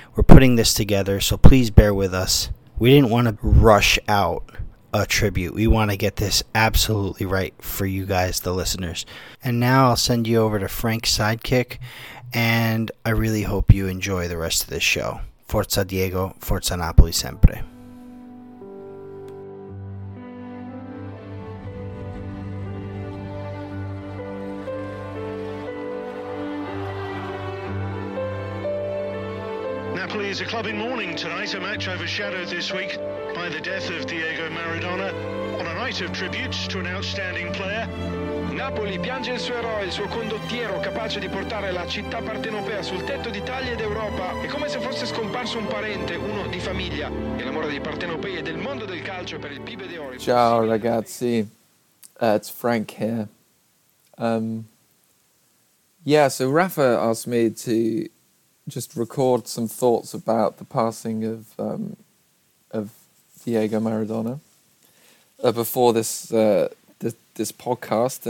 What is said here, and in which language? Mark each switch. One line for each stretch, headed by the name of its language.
English: We're putting this together, so please bear with us. We didn't want to rush out a tribute. We want to get this absolutely right for you guys, the listeners. And now I'll send you over to Frank Sidekick, and I really hope you enjoy the rest of this show.
Italian: Forza Diego, Forza Napoli sempre.
English: Napoli is a club in mourning tonight, a match overshadowed this week by the death of Diego Maradona. On a night of tributes to an outstanding player,
Italian: Napoli piange il suo eroe, il suo condottiero capace di portare la città partenopea sul tetto d'Italia ed Europa. È come se fosse scomparso un parente, uno di famiglia. E l'amore dei partenopei e del mondo del calcio per il Pibe de Oro. Ciao ragazzi,
English: it's Frank here. Yeah, so Rafa asked me to just record some thoughts about the passing of Diego Maradona before this podcast.